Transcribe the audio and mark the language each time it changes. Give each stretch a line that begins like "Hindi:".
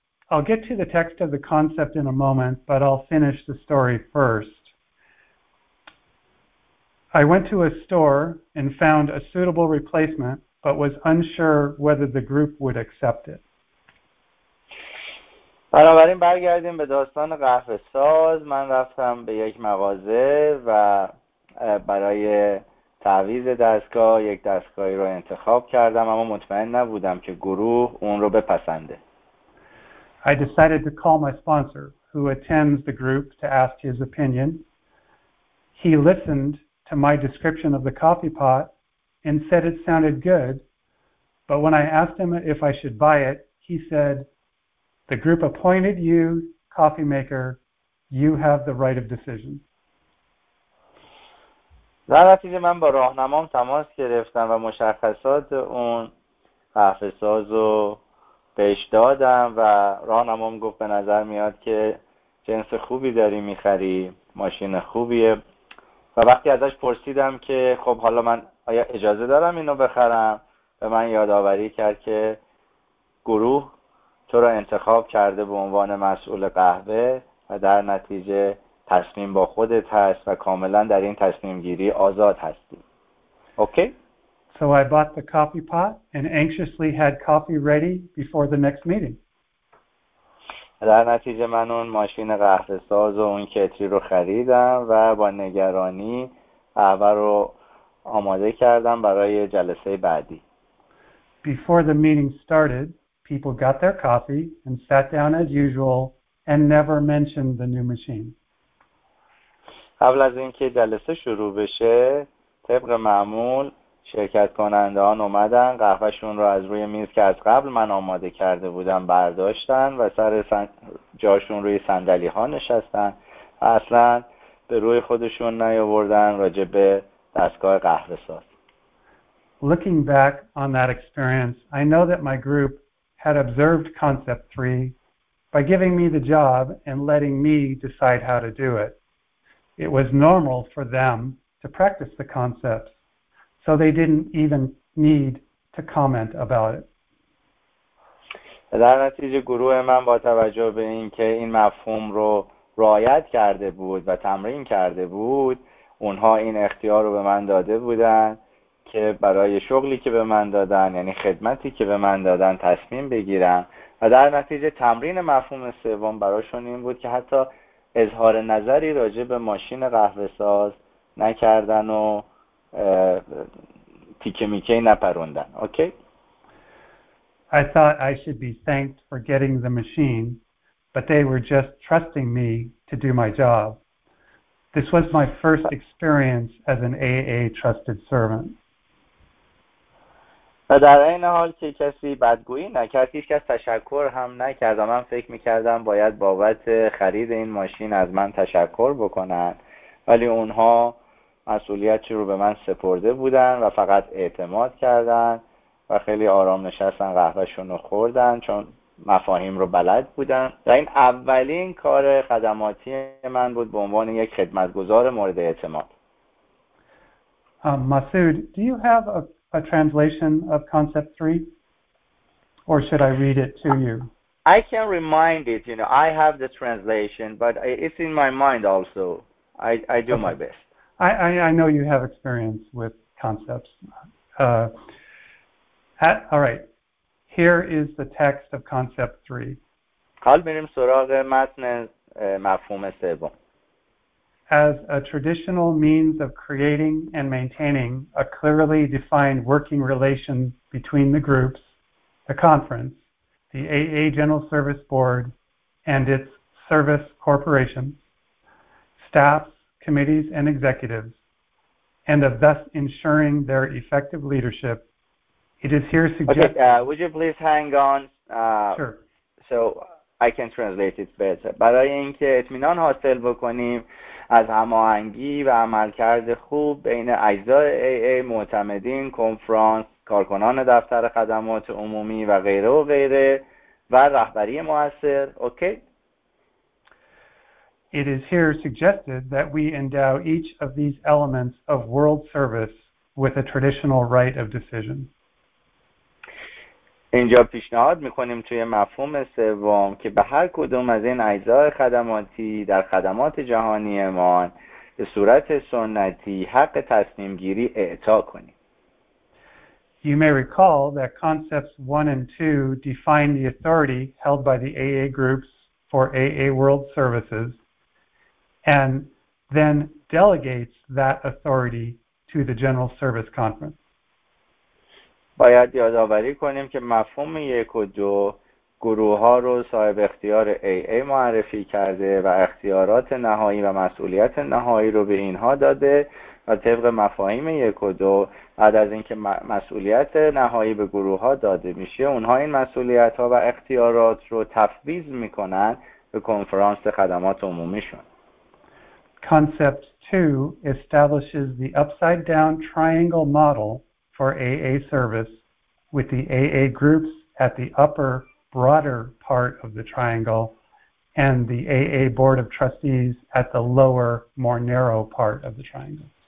English: I'll get to the text of the concept in a moment, but I'll finish the story first. I went to a store and found a suitable replacement, but was unsure whether the group would accept it.
Persian: بنابراین برگردیم به داستان قهوه ساز. من رفتم به یک مغازه و برای تعویض دستگاه یک دستگاهی رو انتخاب کردم اما مطمئن نبودم که گروه اون رو بپسنده.
English: I decided to call my sponsor, who attends the group, to ask his opinion. He listened to my description of the coffee pot and said it sounded good, but when I asked him if I should buy it, he said, the group appointed you, coffee maker, you have the right of decision.
Persian: در نتیجه من با راهنمام تماس گرفتم و مشخصات اون قهوه ساز رو بهش دادم و راهنمام گفت به نظر میاد که جنس خوبی داری میخری، ماشین خوبیه. و وقتی ازش پرسیدم که خب حالا من آیا اجازه دارم اینو بخرم، به من یادآوری کرد که گروه تو را انتخاب کرده به عنوان مسئول قهوه و در نتیجه تصمیم با خودت هست و کاملا در این تصمیم گیری آزاد هستی.
English: Okay? So I bought the coffee pot and anxiously had coffee ready before the next meeting.
Persian: در نتیجه من اون ماشین قهوه ساز و اون کتری رو خریدم و با نگرانی قهوه رو آماده کردم برای جلسه بعدی.
English: Before the meeting started, people got their coffee and sat down as usual and never mentioned the new machine.
Persian: قبل از اینکه جلسه شروع بشه، طبق معمول شرکت کنندگان اومدن، قهوهشون رو از روی میز که از قبل من آماده کرده بودم برداشتن و سر جاشون روی صندلی ها نشستن و اصلا به روی خودشون نیاوردن راجع به دستگاه قهوه ساز.
English: Looking back on that experience, I know that my group had observed Concept 3 by giving me the job and letting me decide how to do it. It was normal for them to practice the concepts, so they didn't even need to comment about it.
Persian: در نتیجه گروه من با توجه به اینکه این مفهوم رو رعایت کرده بود و تمرین کرده بود، اونها این اختیار رو به من داده بودن که برای شغلی که به من دادن، یعنی خدمتی که به من دادن، تصمیم بگیرم. و در نتیجه تمرین مفهوم سوم براشون این بود که حتی اظهار نظری راجع به ماشین قهوه ساز نکردن و تیکه میکه نپروندن. اوکی؟
English: I thought I should be thanked for getting the machine, but they were just trusting me to do my job. This was my first experience as an AA trusted servant.
Persian: در این حال که کسی بدگویی نکرد، هیچ کس تشکر هم نکرد. من فکر میکردم باید بابت خرید این ماشین از من تشکر بکنن، ولی اونها مسئولیتی رو به من سپرده بودن و فقط اعتماد کردن و خیلی آرام نشستن قهوهشون رو خوردن چون مفاهیم رو بلد بودن. و این اولین کار خدماتی من بود به عنوان یک خدمتگزار مورد اعتماد.
English: Masood, do you have a translation of Concept 3? Or should I read it to you? I can remind it, you know, I have the translation, but it's in my mind also. I do okay. My best. I know you have experience with concepts. All right. Here is the text of Concept 3.
Persian: حال بریم سراغ متن مفهوم سوم.
English: As a traditional means of creating and maintaining a clearly defined working relation between the groups, the conference, the AA General Service Board, and its service corporations, staffs, committees, and executives, and of thus ensuring their effective leadership, it is here suggested. Okay, would you please hang on? Sure. So I can translate it better.
Persian: برای اینکه اطمینان حاصل بکنیم از هماهنگی و عملکرد خوب بین اجزای AA، معتمدین، کنفرانس، کارکنان دفتر خدمات عمومی و غیره و غیره و رهبری مؤثر. اوکی؟
English: It is here suggested that we endow each of these elements of world service with a traditional right of decision.
Persian: اینجا پیشنهاد میکنیم توی مفهوم سوم که به هر کدوم از این اجزای خدماتی در خدمات جهانی ما به صورت سنتی حق تصمیم گیری اعطا کنیم.
English: You may recall that concepts 1 and 2 define the authority held by the AA groups for AA world services and then delegates that authority to the General Service Conference.
Persian: باید یادآوری کنیم که مفهوم یک و دو گروه ها رو صاحب اختیار AA معرفی کرده و اختیارات نهایی و مسئولیت نهایی رو به اینها داده و طبق مفاهیم یک و دو بعد از اینکه مسئولیت نهایی به گروه ها داده میشه اونها این مسئولیت ها و اختیارات رو تفویض میکنن به کنفرانس خدمات عمومیشون.
English: Concept 2 establishes the upside down triangle model for AA service with the AA groups at the upper broader part of the triangle and the AA board of trustees at the lower more narrow part of the triangle.